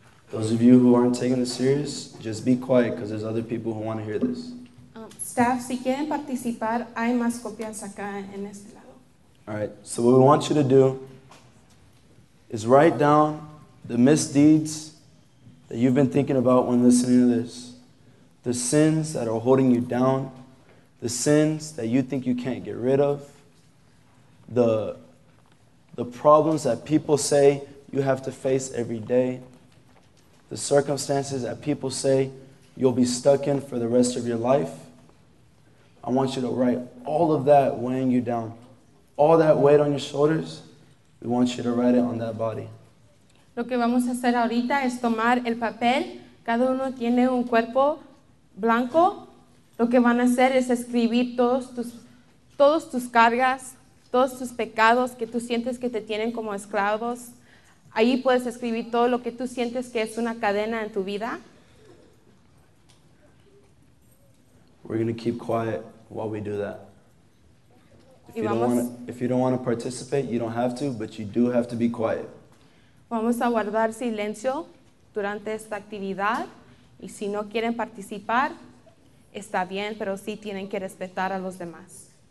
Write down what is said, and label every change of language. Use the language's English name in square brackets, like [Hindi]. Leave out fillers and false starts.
[English] Those of you who aren't taking this serious, just be quiet because there's other people who want to hear this. [Spanish] Staff, si quieren participar, hay más copias acá en este lado. [English] All right, so what we want you to do is write down the misdeeds that you've been thinking about when listening to this, the sins that are holding you down, the sins that you think you can't get rid of, the problems that people say you have to face every day, the circumstances that people say you'll be stuck in for the rest of your life. I want you to write all of that weighing you down, all that weight on your shoulders, we want you to write it on that body. [Spanish] Lo que vamos a hacer ahorita es tomar el papel. Cada uno tiene un cuerpo blanco. Lo que van a hacer es escribir todos tus cargas, todos tus pecados que tú sientes que te tienen como esclavos. Ahí puedes escribir todo lo que tú sientes que es una cadena en tu vida. [English] We're going to keep quiet while we do that. If you don't want to participate, you don't have to, but you do have to be quiet. [Spanish] Vamos a guardar silencio durante esta actividad. Y si no quieren participar, está bien, pero sí tienen que respetar a los demás.